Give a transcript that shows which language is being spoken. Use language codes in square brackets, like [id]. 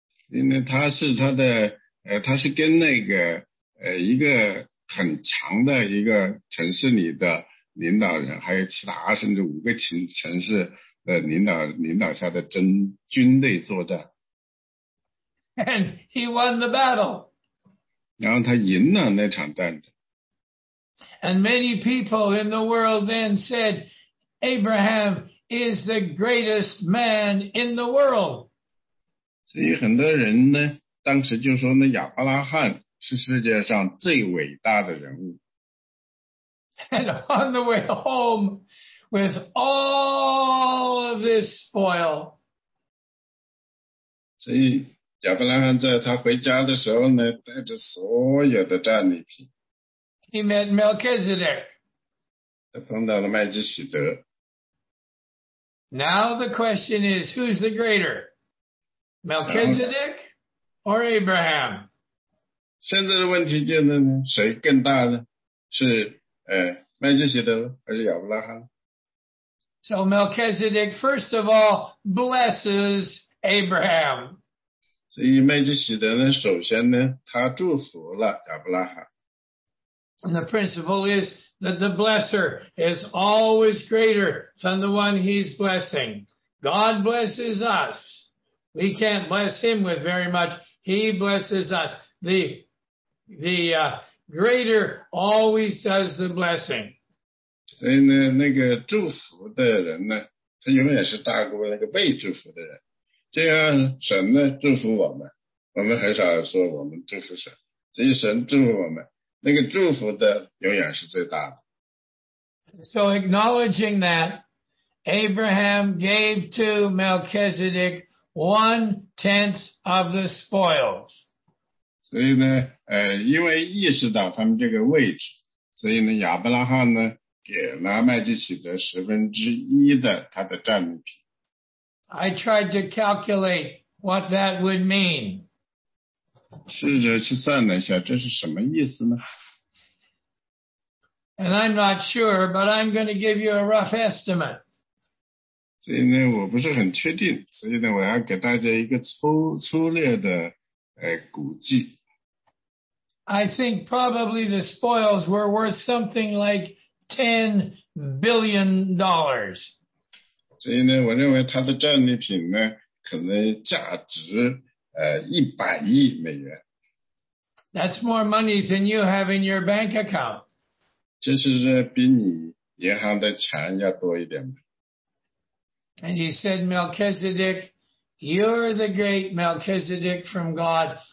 [zh] 因为他是跟那个一个很强的一个城市里的领导人，还有其他甚至5个城市的领导下的军队作战。 [en] And he won the battle. [zh] 然后他赢了那场战争。 [en] And many people in the world then said, Abraham is the greatest man in the world. [zh] 所以很多人呢，当时就说呢，亚伯拉罕是世界上最伟大的人物。 [en] And on the way home, with all of this spoil. [zh] 所以亚伯拉罕在他回家的时候呢，带着所有的战利品。 [en] He met Melchizedek. [zh] 他碰到了麦基洗德。 [en] Now the question is, who's the greater? Melchizedek or Abraham? [zh] 现在的问题就是谁更大呢？是麦基洗德还是亚伯拉罕？ [en] So Melchizedek, first of all, blesses Abraham. [zh] 所以麦基洗德呢，首先呢，他祝福了亚伯拉罕。 [en] And the principle is that the blesser is always greater than the one he's blessing. God blesses us. We can't bless him with very much. He blesses us. The greater always does the blessing. [zh] 所以呢，那个祝福的人呢，他永远是大过那个被祝福的人。就像神呢祝福我们，我们很少说我们祝福神，所以神祝福我们。那个祝福的永远是最大的。 [en] So acknowledging that, Abraham gave to Melchizedek 1/10 of the spoils. [zh] 所以呢，因为意识到他们这个位置，所以呢，亚伯拉罕呢，给了麦基洗德十分之一的他的战利品。 [en] I tried to calculate what that would mean. [zh] 试着去算了一下，这是什么意思呢？ [en] And I'm not sure, but I'm going to give you a rough estimate. [zh] 所以呢，我不是很确定，所以呢，我要给大家一个粗略的估计。 [en] I think probably the spoils were worth something like $10 billion. [zh] 所以呢，我认为它的战利品呢，可能价值100亿美元。 [en] That's more money than you have in your bank account. [zh] 就是比你银行的钱要多一点。 [en] And he said, Melchizedek, you're the great Melchizedek from God.